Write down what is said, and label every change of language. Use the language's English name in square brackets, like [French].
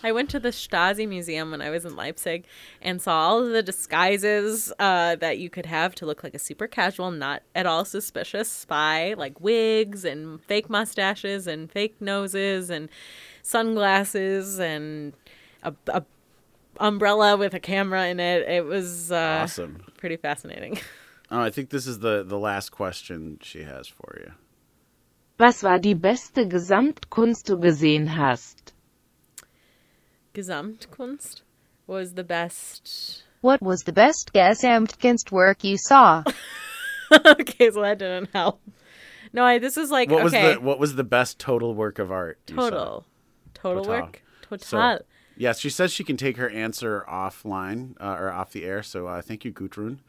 [English] I went to the Stasi Museum when I was in Leipzig and saw all of the disguises that you could have to look like a super casual, not at all suspicious spy, like wigs and fake mustaches and fake noses and sunglasses and a umbrella with a camera in it. It was awesome. Pretty fascinating. Oh, I think this is the last question she has for you. [German] Was war die beste Gesamtkunst du gesehen hast? [English] Gesamtkunst? Was the best... What was the best Gesamtkunst work you saw? Okay, so that didn't help. No, this is like, what okay. What was the best total work of art you total. Saw? Total work? Total. So, yes, she says she can take her answer offline, or off the air, so thank you, Gudrun.